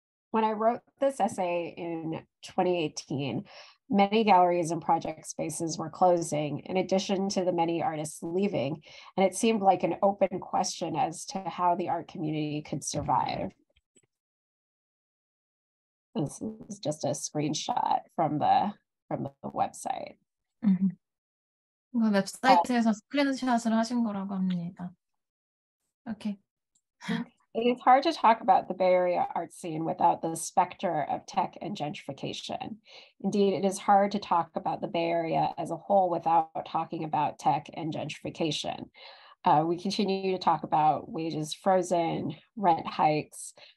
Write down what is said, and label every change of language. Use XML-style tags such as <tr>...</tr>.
<en>When I wrote this essay in 2018, many galleries and project spaces were closing, in addition to the many artists leaving, and it seemed like an open question as to how the art community could survive. This is just a screenshot from the website.</en> <ko>웹사이트에서 스크린샷을 하신 거라고 합니다. 오케이.</ko> <en>It's hard to talk about the Bay Area art scene without the specter of tech and gentrification. Indeed, it is hard to talk about the Bay Area as a whole without talking about tech and gentrification. We continue to talk about wages frozen, rent hikes.</en>